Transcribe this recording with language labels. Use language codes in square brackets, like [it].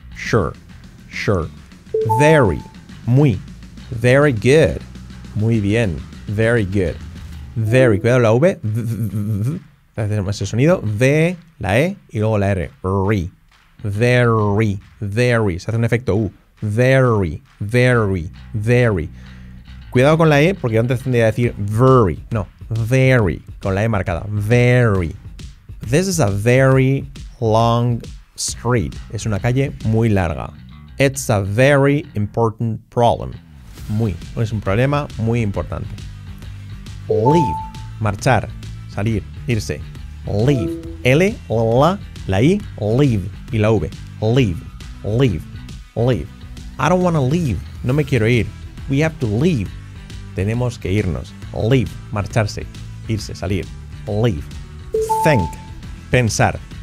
[es] Sure, sure. Very, muy. [en] Very good. [es] Muy bien. Very good. Very. Cuidado la V. Hacemos ese sonido. V, la E y luego la R. Very. Very. Very. Se hace un efecto U. Very. Very. Very. Cuidado con la E porque antes tendría que decir very. No. Very. Con la E marcada. Very. [en] This is a very long street. [es] Es una calle muy larga. [en] It's a very important problem. [es] Muy. Es un problema muy importante. Leave. Marchar. Salir. Irse. Leave. L, la I, leave. Y la V. Leave. Leave. Leave. [en] I don't want to leave. [es] No me quiero ir. [en] We have to leave. [es] Tenemos que irnos. Leave. Marcharse. Irse. Salir. Leave. Think. Pensar.